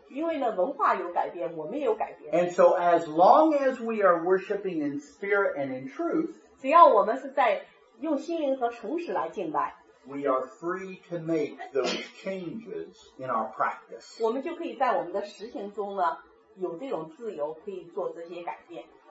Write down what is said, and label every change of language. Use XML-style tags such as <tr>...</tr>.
<zh>因为呢，文化有改变，我们也有改变。</zh> <en>And so, as long as we are worshiping in spirit and in truth,</en> <zh>只要我们是在用心灵和诚实来敬拜，</zh> <en>we are free to make those changes in our practice.</en> <zh>我们就可以在我们的实行中呢，有这种自由，可以做这些改变。</zh>